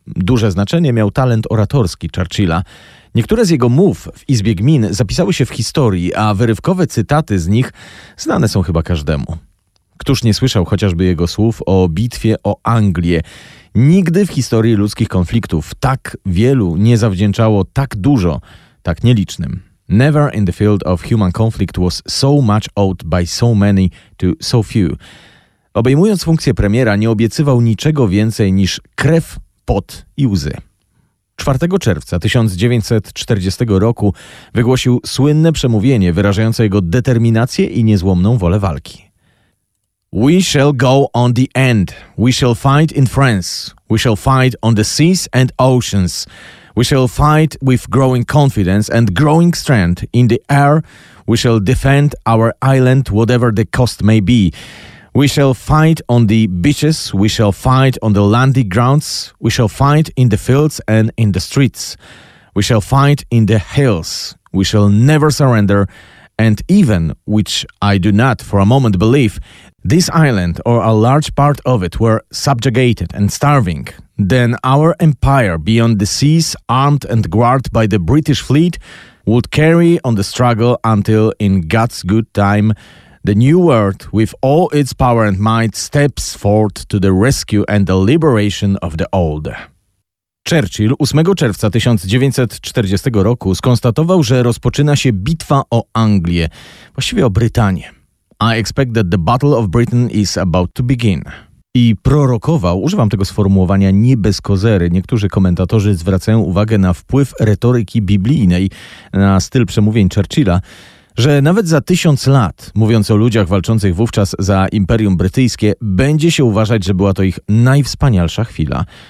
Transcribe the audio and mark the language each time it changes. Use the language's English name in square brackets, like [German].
[Polish] Duże znaczenie miał talent oratorski Churchilla. Niektóre z jego mów w Izbie Gmin zapisały się w historii, a wyrywkowe cytaty z nich znane są chyba każdemu. Któż nie słyszał chociażby jego słów o bitwie o Anglię? Nigdy w historii ludzkich konfliktów tak wielu nie zawdzięczało tak dużo, tak nielicznym. [English] Never in the field of human conflict was so much owed by so many to so few. [Polish] Obejmując funkcję premiera, nie obiecywał niczego więcej niż krew, pot i łzy. 4 czerwca 1940 roku wygłosił słynne przemówienie wyrażające jego determinację i niezłomną wolę walki. [English] We shall go on the end. We shall fight in France. We shall fight on the seas and oceans. We shall fight with growing confidence and growing strength in the air. We shall defend our island, whatever the cost may be. We shall fight on the beaches. We shall fight on the landing grounds. We shall fight in the fields and in the streets. We shall fight in the hills. We shall never surrender. And even, which I do not for a moment believe, this island or a large part of it were subjugated and starving, then our empire beyond the seas, armed and guarded by the British fleet, would carry on the struggle until, in God's good time, the new world, with all its power and might, steps forth to the rescue and the liberation of the old. [Polish] Churchill 8 czerwca 1940 roku skonstatował, że rozpoczyna się bitwa o Anglię, właściwie o Brytanię. [English] I expect that the Battle of Britain is about to begin. [Polish] I prorokował, używam tego sformułowania nie bez kozery, niektórzy komentatorzy zwracają uwagę na wpływ retoryki biblijnej na styl przemówień Churchilla, że nawet za 1000 lat, mówiąc o ludziach walczących wówczas za Imperium Brytyjskie, będzie się uważać, że była to ich najwspanialsza chwila.